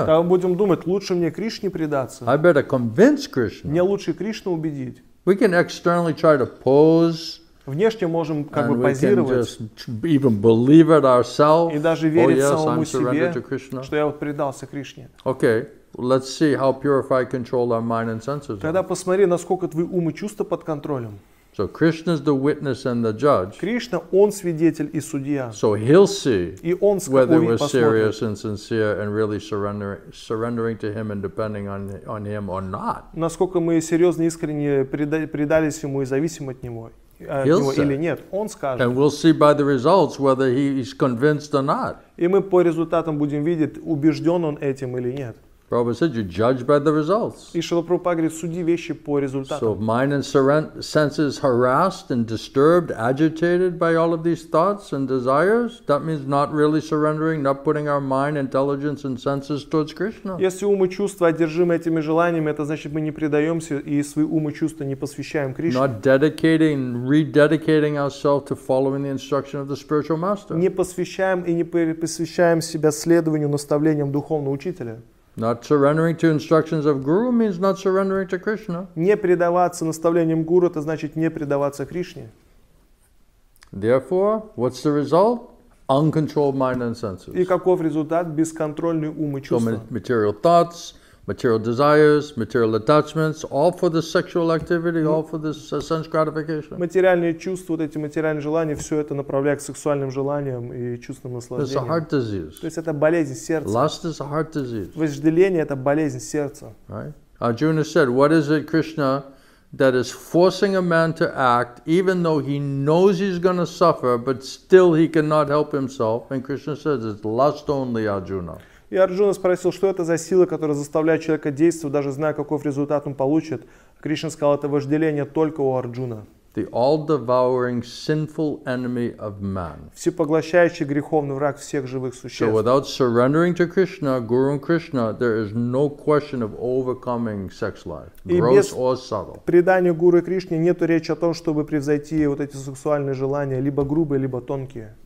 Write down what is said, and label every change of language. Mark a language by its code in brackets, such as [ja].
[ru] Тогда мы будем думать, лучше мне Кришне предаться. [en] I better convince Krishna. [ru] Мне лучше Кришну убедить. [en] We can externally try to pose. [ru] Внешне можем как бы позировать [en] even believe it ourselves, [ru] и даже верить [en] oh, yes, [ru] самому [en] I'm [ru] себе, [en] to Krishna. [ru] Что я вот предался Кришне. [en] Okay. Let's see how purify control our mind and senses. [ru] Тогда посмотри, насколько твои ум и чувства под контролем. [en] So Krishna is the witness and the judge. [ru] Кришна, он свидетель и судья. [en] So he'll see [ru] и он с [en] whether we're [ru] посмотрит. [en] Serious and sincere and really surrendering to him and depending on him or not. [ru] Насколько мы серьезно, искренне предались ему и зависим от него. [en] He'll [ru] или нет, он скажет. [en] And we'll see by the results whether he is convinced or not. [ru] И мы по результатам будем видеть, убежден он этим или нет. [en] Prabhupada said, you judge by the results. [ru] И Шрила Прабхупада говорит, суди вещи по результатам. [en] So if mind and senses harassed and disturbed, agitated by all of these thoughts and desires, that means not really surrendering, not putting our mind, intelligence and senses towards Krishna. [ru] Если ум и чувства одержимы этими желаниями, это значит мы не предаемся и свои ум и чувства не посвящаем Кришне. [en] Not dedicating, rededicating ourselves to following the instruction of the spiritual master. [ru] Не посвящаем и не посвящаем себя следованию наставлениям духовного учителя. [en] Not surrendering to instructions of guru means not surrendering to Krishna. [ru] Не предаваться наставлениям гуру — это значит не предаваться Кришне. [en] Therefore, what's the result? Uncontrolled mind and senses. [ru] И каков результат? Бесконтрольный ум и чувства. [en] So material thoughts, material desires, material attachments, all for the sexual activity, all for the sense gratification. [ru] Материальные чувства, вот эти материальные желания, все это направляет к сексуальным желаниям и чувственным наслаждениям. [en] It's a heart disease. [ru] То есть это болезнь сердца. [en] Lust is a heart disease. [ru] Вожделение — это болезнь сердца. [en] Right? Arjuna said, what is it, Krishna, that is forcing a man to act, even though he knows he's going to suffer, but still he cannot help himself? And Krishna says, it's lust only, Arjuna. [ru] И Арджуна спросил, что это за сила, которая заставляет человека действовать, даже зная, какой результат он получит. Кришна сказал, это вожделение только у Арджуна. [en] The all-devouring sinful enemy of man. [ru] Всепоглощающий греховный враг всех живых существ. [en] So without surrendering to Krishna, Guru and Krishna, there is no question of overcoming sex life, gross or subtle. [ru] Предание Гуру и Кришне нет речи о том, чтобы превзойти вот эти сексуальные желания, либо грубые, либо тонкие.